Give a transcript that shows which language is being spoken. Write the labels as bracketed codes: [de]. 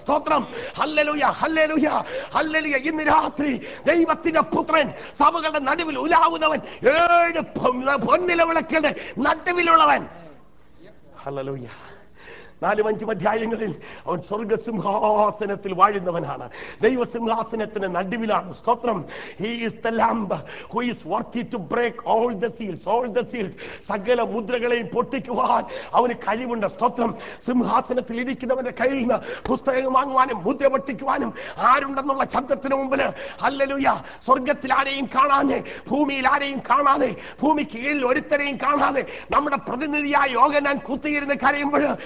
[ml] സ്തോത്രം, hallelujah, hallelujah, hallelujah. ഇന്ന് രാത്രി ദൈവത്തിന്റെ പുത്രൻ സഭകളുടെ നടുവിൽ ഉലാവുന്നവൻ, ഏഴ് പൊന്നില വിളക്കേണ്ട നടുവിലുള്ളവൻ. ഹല്ലേലൂയ. നാലും അഞ്ചും അധ്യായങ്ങളിൽ അവൻ സ്വർഗ സിംഹാസനത്തിൽ വാഴുന്നവനാണ്, ദൈവ സിംഹാസനത്തിന് നടുവിലാണ്. സ്തോത്രം. [en] He is the lamb who is worthy to break all the seals. All the seals, [ml] സകല മുദ്രകളെയും പൊട്ടിക്കുവാൻ അവന് കഴിവുണ്ട്. സ്തോത്രം. സിംഹാസനത്തിൽ ഇരിക്കുന്നവന്റെ കയ്യിൽ നിന്ന് പുസ്തകം വാങ്ങുവാനും മുദ്ര പൊട്ടിക്കുവാനും ആരുണ്ടെന്നുള്ള ശബ്ദത്തിന് മുമ്പില്, ഹല്ലേലൂയ, സ്വർഗത്തിൽ ആരെയും കാണാതെ, ഭൂമിയിൽ ആരെയും കാണാതെ, ഭൂമിക്ക് കീഴിൽ ഒരുത്തരെയും കാണാതെ, നമ്മുടെ പ്രതിനിധിയായ യോഹന്നാൻ കുത്തിയിരുന്ന് കരയുമ്പോൾ,